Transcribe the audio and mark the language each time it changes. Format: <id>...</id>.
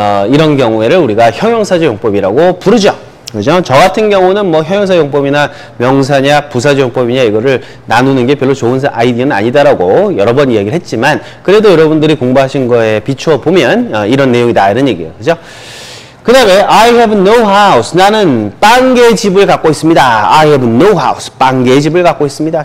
<ko>이런 경우에를 우리가 형용사적 용법이라고 부르죠. 그죠? 저 같은 경우는 뭐 형용사 용법이나 명사냐 부사적 용법이냐 이거를 나누는 게 별로 좋은 아이디어는 아니다라고 여러 번 이야기를 했지만 그래도 여러분들이 공부하신 거에 비추어 보면 이런 내용이다 이런 얘기예요. 그죠? 그 다음에</ko> <en>I have no house.</en> <ko>나는 빵개의 집을 갖고 있습니다.</ko> <en>I have no house.</en> <ko>빵개의 집을 갖고 있습니다.</ko>